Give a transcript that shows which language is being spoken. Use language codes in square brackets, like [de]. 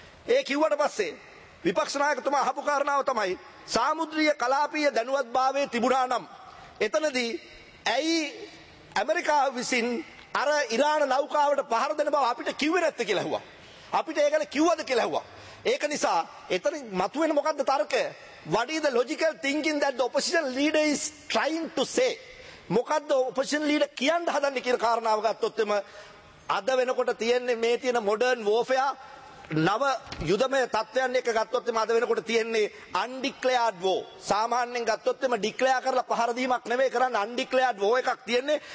[si] ඒ කිව්වට පස්සේ විපක්ෂ නායකතුමා අහපු කාරණාව තමයි සාමුද්‍රීය කලාපීය දැනුවත්භාවයේ තිබුණා නම් එතනදී ඇයි ඇමරිකාව විසින් අර ඉරාන නෞකාවට පහර දෙන බව අපිට කිව්වේ නැත්තේ කියලා ඇහුවා. අපිට ඒ ගැන කිව්වද කියලා ඇහුවා. ඒක නිසා එතන මතුවෙන මොකද්ද තර්කය? [en] What is the logical thinking that the opposition leader is trying to say? [si] මොකද්ද [en] opposition leader [si] කියන්න හදන්නේ කියන කාරණාව ගත්තොත් එම අද වෙනකොට තියෙන්නේ මේ තියෙන [en] modern වෝෆෙයා [si] නව යුදමය තත්ත්වයන් එක ගත්තොත් එම අද වෙනකොට තියෙන්නේ [en] Undeclared war. [si] සාමාන්‍යයෙන් ගත්තොත් එම ඩික්ලයාර් කරලා පහර දීමක් නෙවෙයි කරන්නේ, [en] undeclared war [si] එකක් තියෙන්නේ.